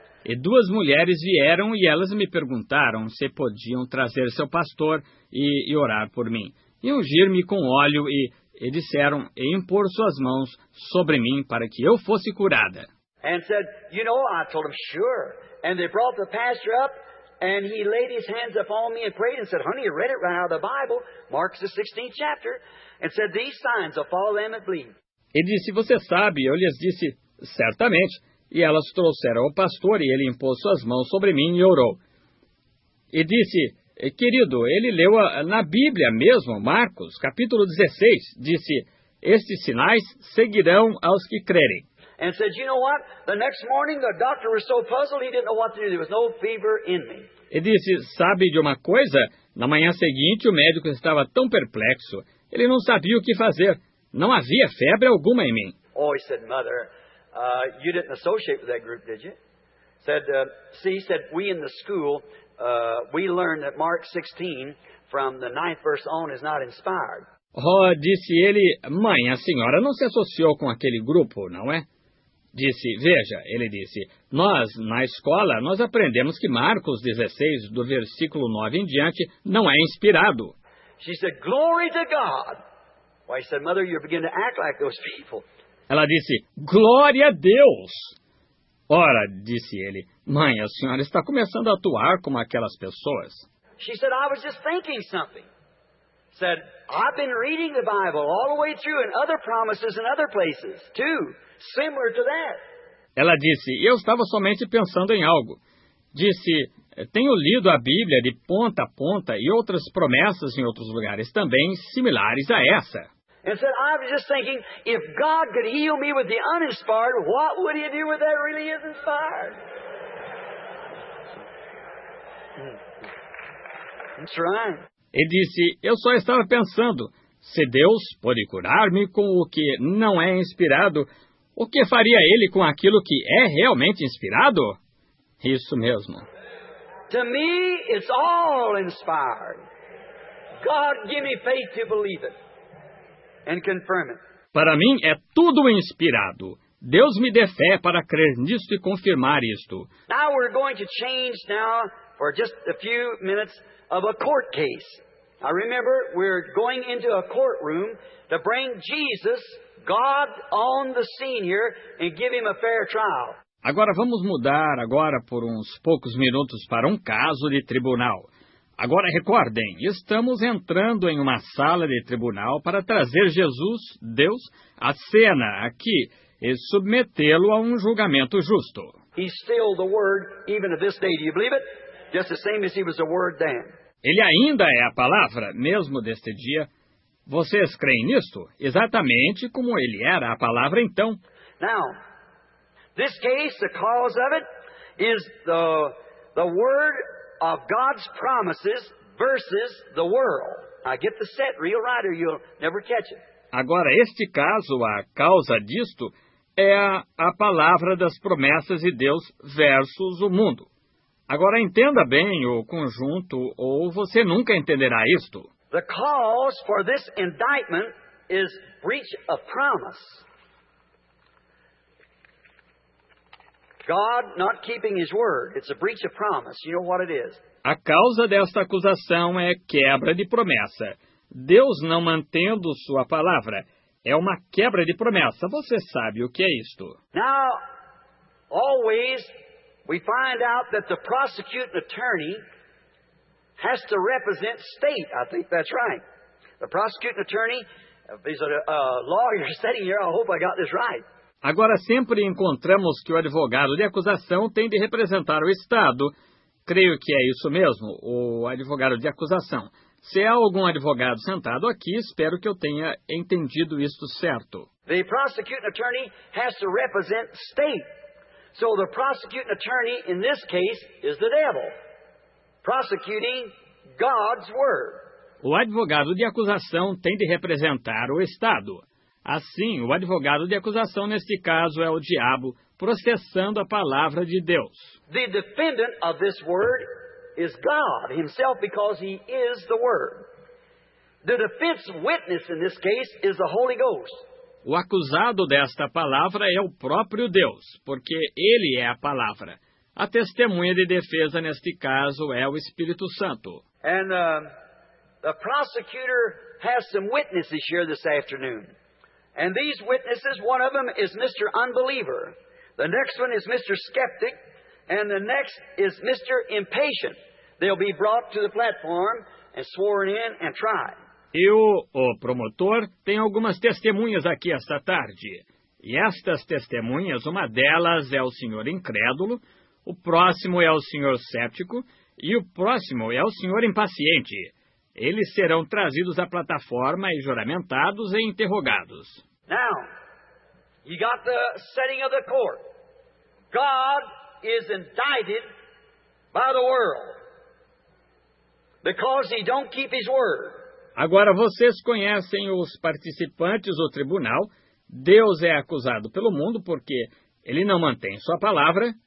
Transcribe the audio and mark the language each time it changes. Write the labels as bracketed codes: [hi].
[pt] E duas mulheres vieram e elas me perguntaram se podiam trazer seu pastor e orar por mim e ungir-me com óleo e disseram e impor suas mãos sobre mim para que eu fosse curada. [en] And said, you know, I told them sure. And they brought the pastor up And he laid his hands upon me and prayed and said, honey, you read it right out of the Bible, Mark's the 16th chapter, and said, these signs will follow them that believe. [pt] Ele disse, você sabe, eu lhes disse, certamente, e elas trouxeram ao pastor, e ele impôs suas mãos sobre mim e orou. E disse, querido, ele leu na Bíblia mesmo, Marcos, capítulo 16, disse, estes sinais seguirão aos que crerem. [en] And said, you know what? The next morning, the doctor was so puzzled, he didn't know what to do. There was no fever in me. [pt] E disse, sabe de uma coisa? Na manhã seguinte, o médico estava tão perplexo. Ele não sabia o que fazer. Não havia febre alguma em mim. [en] Oh, he said, mother, you didn't associate with that group, did you? Said, see, he said, we in the school, we learned that Mark 16, from the 9th verse on, is not inspired. [pt] Oh, disse ele, mãe, a senhora não se associou com aquele grupo, não é? Disse, veja, ele disse, nós, na escola, nós aprendemos que Marcos 16, do versículo 9 em diante, não é inspirado. [en] She said, glory to God. Well, I said, mother, you're beginning to act like those people. [pt] Ela disse, glória a Deus. Ora, disse ele, mãe, a senhora está começando a atuar como aquelas pessoas. [en] She said, I was just thinking something. Said, I've been reading the Bible all the way through and other promises in other places, too, similar to that. [pt] Ela disse, eu estava somente pensando em algo. Disse, tenho lido a Bíblia de ponta a ponta e outras promessas em outros lugares também similares a essa. [en] And said, I was just thinking, if God could heal me with the uninspired, what would he do with that really is inspired? That's right. [pt] E disse, eu só estava pensando, se Deus pode curar-me com o que não é inspirado, o que faria ele com aquilo que é realmente inspirado? Isso mesmo. [en] To me, it's all inspired. God, give me faith to believe it and confirm it. [pt] Para mim, é tudo inspirado. Deus me dê fé para crer nisto e confirmar isto. [en] Now we're going to change now for just a few minutes. Of a court case. I remember we're going into a courtroom to bring Jesus, God, on the scene here and give him a fair trial. [pt] Agora vamos mudar agora por uns poucos minutos para um caso de tribunal. Agora recordem, estamos entrando em uma sala de tribunal para trazer Jesus, Deus, à cena aqui e submetê-lo a um julgamento justo. [en] He's still the word even to this day. Do you believe it? Just the same as he was the word then. [pt] Ele ainda é a palavra, mesmo deste dia. Vocês creem nisto? Exatamente como ele era a palavra então. [en] Now, this case, the cause of it, is the word of God's promises versus the world. Now, get the set real right or you'll never catch it. [pt] Agora, este caso, a causa disto, é a palavra das promessas de Deus versus o mundo. Agora, entenda bem o conjunto, ou você nunca entenderá isto. [en] The cause for this indictment is breach of promise. God not keeping his word. It's a breach of promise. You know what it is. [pt] A causa desta acusação é quebra de promessa. Deus não mantendo sua palavra. É uma quebra de promessa. Você sabe o que é isto. [en] Now, always... We find out that the prosecuting attorney has to represent state. I think that's right. The prosecuting attorney, these are lawyers sitting here. I hope I got this right. [pt] Agora sempre encontramos que o advogado de acusação tem de representar o estado. Creio que é isso mesmo, o advogado de acusação. Se há algum advogado sentado aqui, espero que eu tenha entendido isto certo. [en] The prosecuting attorney has to represent state. So the prosecuting attorney in this case is the devil, prosecuting God's word. [pt] O advogado de acusação tem de representar o Estado. Assim, o advogado de acusação neste caso é o diabo, processando a palavra de Deus. [en] The defendant of this word is God himself because he is the word. The defense witness in this case is the Holy Ghost. [pt] O acusado desta palavra é o próprio Deus, porque ele é a palavra. A testemunha de defesa neste caso é o Espírito Santo. [en] And the prosecutor has some witnesses here this afternoon. And these witnesses, one of them is Mr. Unbeliever. The next one is Mr. Skeptic. And the next is Mr. Impatient. They'll be brought to the platform and sworn in and tried. [pt] Eu, o promotor, tenho algumas testemunhas aqui esta tarde. E estas testemunhas, uma delas é o senhor incrédulo, o próximo é o senhor cético e o próximo é o senhor impaciente. Eles serão trazidos à plataforma e juramentados e interrogados. [en] Now, you got the setting of the court. God is indicted by the world because he don't keep his word. [pt] Agora vocês conhecem os participantes do tribunal. Deus é acusado pelo mundo porque ele não mantém sua palavra.